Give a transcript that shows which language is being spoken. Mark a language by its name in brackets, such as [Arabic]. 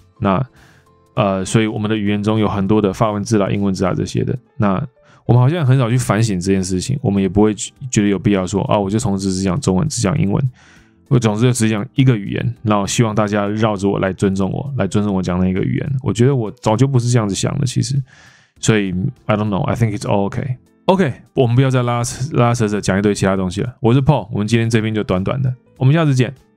[Chinese] 那所以我们的语言中有很多的法文字啦、英文字啊这些的。那我们好像很少去反省这件事情，我们也不会觉得有必要说啊，我就从此只讲中文，只讲英文。我总之就只讲一个语言，然后希望大家绕着我来尊重我，来尊重我讲那个语言。我觉得我早就不是这样子想的，其实。 [English] 所以 I don't know, I think it's all okay. [Chinese] OK, 我们不要再拉扯着讲一堆其他东西了。我是 Paul, 我们今天这边就短短的，我们下次见。